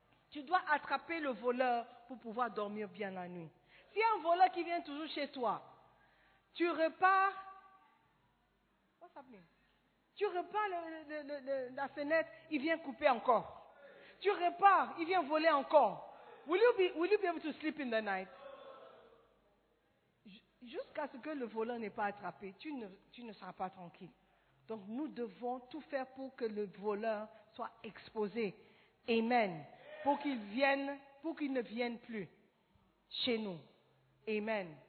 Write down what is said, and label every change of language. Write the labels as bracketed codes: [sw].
[fr] Tu dois attraper le voleur pour pouvoir dormir bien la nuit. S'il y a un voleur qui vient toujours chez toi, tu repars. [en] What's happening? [fr] Tu repars la fenêtre, il vient couper encore. Tu repars, il vient voler encore. [en] Will you be able to sleep in the night? [fr] Jusqu'à ce que le voleur n'est pas attrapé, tu ne seras pas tranquille. Donc nous devons tout faire pour que le voleur soit exposé. Amen. Pour qu'il ne vienne plus chez nous. Amen.